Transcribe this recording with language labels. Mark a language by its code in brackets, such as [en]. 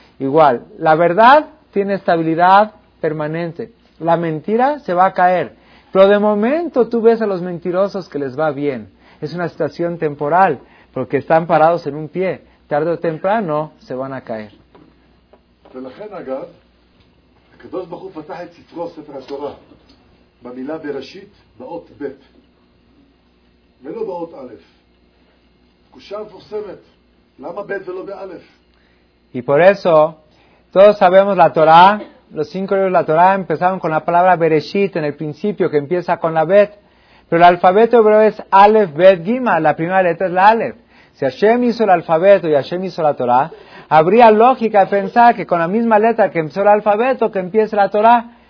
[es] Igual, la verdad tiene estabilidad permanente. La mentira se va a caer. Pero de momento tú ves a los mentirosos que les va bien. Es una situación temporal. Porque están parados en un pie, tarde o temprano se van a caer. [he] ולכן אגב, הקדוש ברוך הוא פתח את ספרו, ספר התורה, במילה בראשית, באות ב', ולא באות א'. קושה מפורסמת, למה ב' ולא ב'? [es] Y por eso, todos sabemos la Torah, los cinco libros de la Torah empezaron con la palabra bereshit en el principio, que empieza con la bet. Pero el alfabeto hebreo es Aleph, Bet, Gima. La primera letra es la Aleph. Si Hashem hizo el alfabeto y Hashem hizo la Torah, habría lógica de pensar que con la misma letra que empezó el alfabeto, que empiece la Torah.